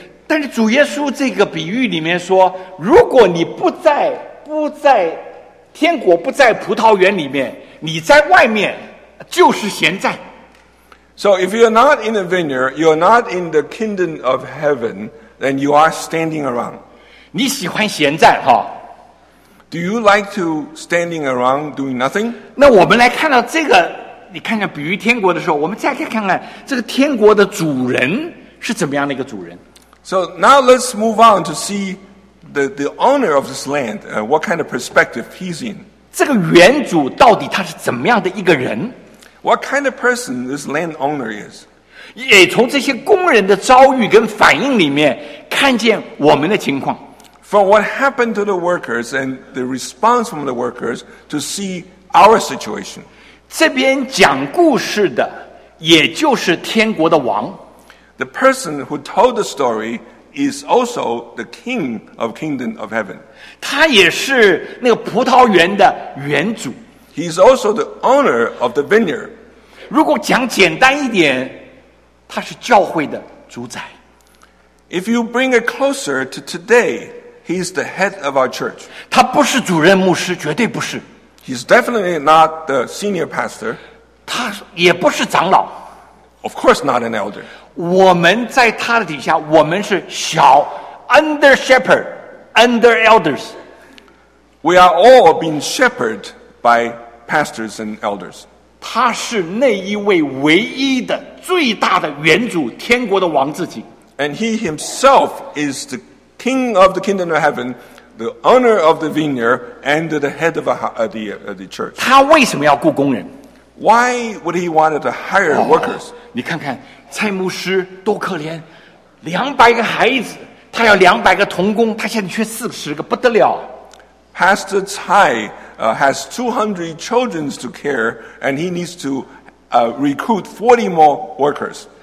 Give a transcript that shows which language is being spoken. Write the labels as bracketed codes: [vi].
[zh] 但是主耶稣这个比喻里面说，如果你不在天国，不在葡萄园里面，你在外面就是闲站。 [en] So if you're not in the vineyard, you're not in the kingdom of heaven, then you are standing around. [zh] 你喜欢闲站哈。 [en] Do you like to standing around doing nothing? [zh] 那我们来看到这个，你看看比喻天国的时候，我们再看看这个天国的主人是怎么样的一个主人。 [en] So now let's move on to see the owner of this land, what kind of perspective he's in. [zh] 这个原主到底他是怎么样的一个人？ [en] What kind of person this landowner is? [zh] 也从这些工人的遭遇跟反应里面看见我们的情况。 [en] From what happened to the workers and the response from the workers to see our situation. [zh] 这边讲故事的也就是天国的王。 [en] The person who told the story is also the king of kingdom of heaven. [zh] 他也是那个葡萄园的园主。 [en] He is also the owner of the vineyard. [zh] 如果讲简单一点，他是教会的主宰。 [en] If you bring it closer to today, he is the head of our church. [zh] 他不是主任牧师，绝对不是。 [en] He is definitely not the senior pastor. [zh] 他也不是长老。 [en] Of course not an elder. [zh] 我们在他的底下，我们是小 [en] under shepherd, under elders. We are all being shepherded by pastors and elders. [zh] 他是那一位唯一的最大的原主，天国的王自己。 [en] And he himself is the king of the kingdom of heaven, the owner of the vineyard, and the head of the church. [zh] 他为什么要雇工人？ [en] Why would he want to hire workers? [zh] 你看看，蔡牧师多可怜，200个孩子，他要200个童工，他现在缺40个，不得了。 [en] Pastor Tsai has 200 children to care, and he needs to recruit 40 more workers.